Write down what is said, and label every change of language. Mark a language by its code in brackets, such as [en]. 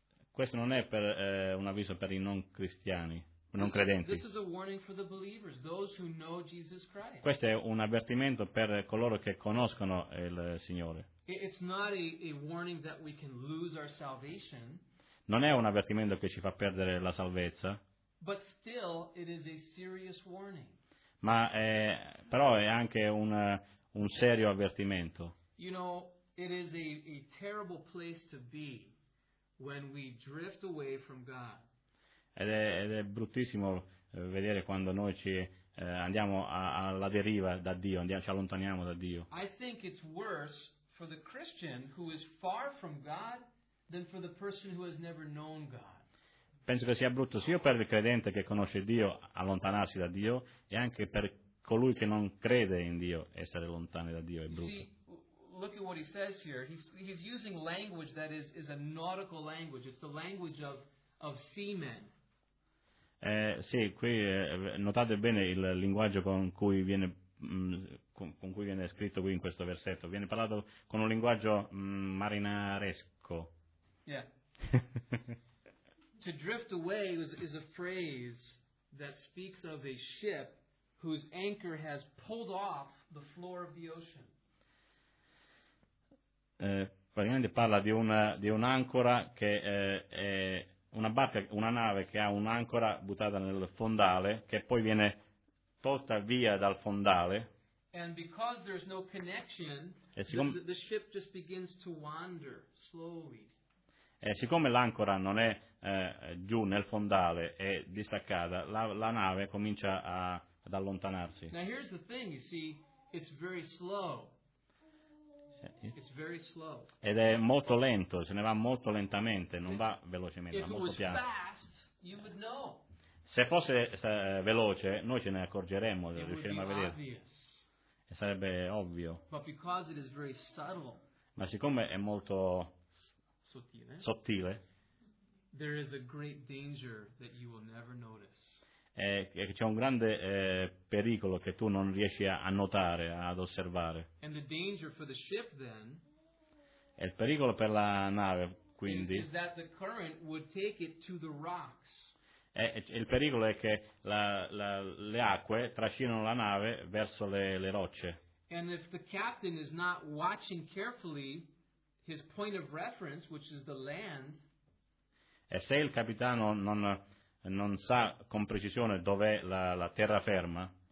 [it] Questo non è per un avviso per i non cristiani. Non credenti. [en] This is a warning for the believers, those who know Jesus Christ. [it] Questo è un avvertimento per coloro che conoscono il Signore. [en] It's not a warning that we can lose our salvation. [it] Non è un avvertimento che ci fa perdere la salvezza. [en] But still, it is a serious warning. [it] Ma però è anche un serio avvertimento. [en] You know, it is a terrible place to be when we drift away from God. [it] Ed è bruttissimo vedere quando noi ci andiamo alla deriva da Dio, andiamo, ci allontaniamo da Dio. [en] I think it's worse for the Christian who is far from God than for the person who has never known God. [it] Penso che sia brutto sia per il credente che conosce Dio allontanarsi da Dio, e anche per colui che non crede in Dio essere lontano da Dio è brutto. [en] See, look at what he says here. He's using language that is a nautical language. It's the language of seamen. [it] Sì, qui notate bene il linguaggio con cui viene con cui viene scritto qui in questo versetto. Viene parlato con un linguaggio marinaresco. [en] Yeah. To drift away is a phrase that speaks of a ship whose anchor has pulled off the floor of the ocean. [it] Praticamente parla di un'ancora che è una barca, una nave che ha un'ancora buttata nel fondale, che poi viene tolta via dal fondale. [en] And because there's no connection, the ship just begins to wander slowly. [it] E siccome l'ancora non è giù nel fondale, è distaccata, la nave comincia ad allontanarsi. [en] Now here's the thing, you see, it's very slow. It's very slow. [it] Ed è molto lento, se ne va molto lentamente, non va velocemente, va molto piano. [en] Fast, you would know. [it] Se fosse veloce, noi ce ne accorgeremmo, riusciremmo a vedere. [en] Obvious. [it] E sarebbe ovvio. [en] But because it is very subtle, [it] ma siccome è molto [en] sottile, there is a great danger that you will never notice. [it] C'è un grande pericolo che tu non riesci a notare, ad osservare. [en] And the danger for the ship, then, [it] è il pericolo per la nave, quindi, [en] is that the current would take it to the rocks. [it] Il pericolo è che le acque trascinano la nave verso le rocce. [en] And if the captain is not watching carefully his point of reference, which is the land, [it] e se il capitano non sa con precisione dov'è la terraferma,